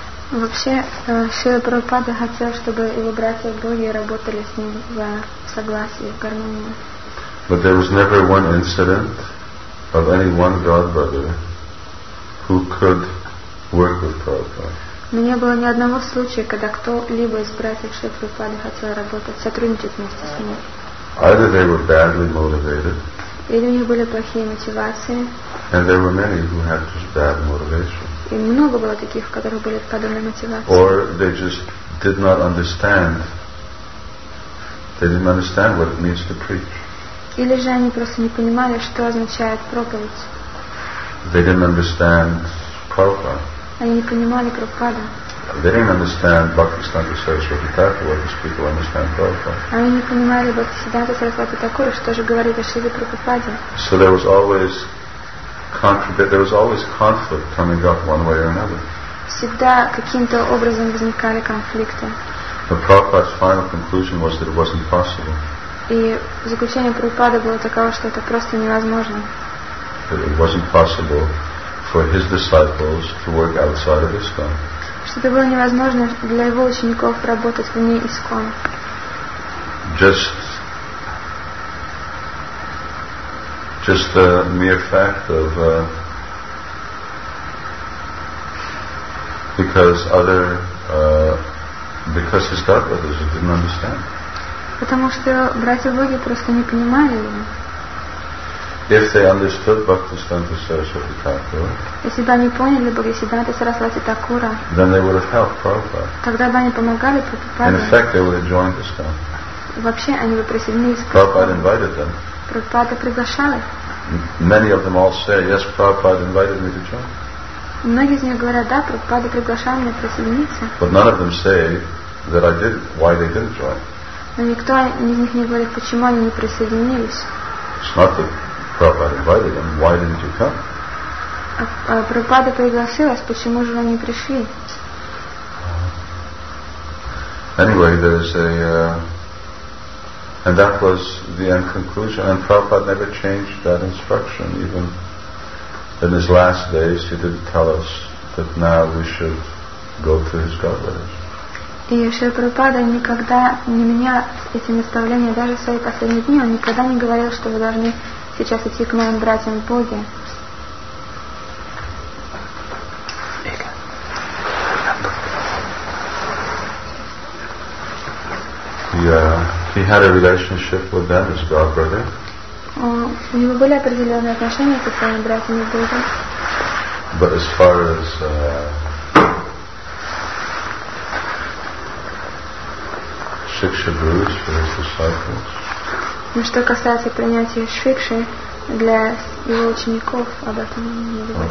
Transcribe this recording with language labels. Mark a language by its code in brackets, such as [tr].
[ru] Вообще, Шрила Прабхупада хотел, чтобы его братья и боги работали с ним в согласии, в гармонии. [en] But there was never one incident of any one godbrother who could work with Prabhupada. [ru] Но не было ни одного случая, когда кто-либо из братьев Шрила Прабхупады хотел работать, сотрудничать вместе с ним. [en] Either they were badly motivated. [ru] Или у них были плохие мотивации. [en] And there were many who had just bad motivation. [ru] И много было таких, у которых были подобные мотивации. [en] Or they just did not understand. They didn't understand what it means to preach. [ru] Или же они просто не понимали, что означает проповедь. [en] They didn't understand Prabhupada. [ru] Они не понимали Прабхупада. [en] They didn't understand Bhaktisiddhanta Saraswati Thakur, what these people understand Prabhupada. [ru] Они не понимали Бхактисиддханта Сарасвати Такура, что же говорит о Шриле Прабхупаде. [en] So there was always conflict coming up one way or another. [ru] Всегда каким-то образом возникали конфликты. [en] The Prabhupada's final conclusion was that it wasn't possible. [ru] И заключение Прабхупады было таково, что это просто невозможно. [en] That it wasn't possible for his disciples to work outside of ISKCON. [ru] Что это было невозможно для его учеников работать вне ИСКОН. [en] Just the mere fact of because his godbrothers didn't understand. [ru] Потому что братья-боги просто не понимали его. [en] If they understood Bhaktisiddhanta Saraswati Thakura, [ru] если бы они поняли Бхактисиддханта Сарасвати Такура, [en] then they would have helped Prabhupada. [ru] Тогда бы они помогали Прабхупаде. [en] In effect, they would have joined the ISKCON. [ru] Вообще они бы присоединились. [en] Prabhupada invited them. [ru] Прабхупада приглашал их. [en] Many of them all say, yes, Prabhupada invited me to join. [ru] Многие из них говорят, да, Прабхупада приглашал меня присоединиться. [en] But none of them say that I did, why they didn't join. [ru] Но никто из них не говорит, почему они не присоединились. [en] It's not that Prabhupada invited them, why didn't you come? [ru] Прабхупада пригласил вас, почему же вы не пришли? [en] Anyway, there's a... And that was the end conclusion. And Prabhupada never changed that instruction. Even in his last days, he didn't tell us that now we should go to his godbrothers. [ru] И Шрила Прабхупада никогда не менял эти наставления, даже в свои последние дни. Он никогда не говорил, что вы должны сейчас идти к моим братьям Боги. [en] He had a relationship with them as godbrother. [ru] У него были определенные отношения со своими братьями Бога. [en] But as far as Shiksha Gurus for his disciples. [ru] Но что касается принятия Шикши для его учеников, об этом не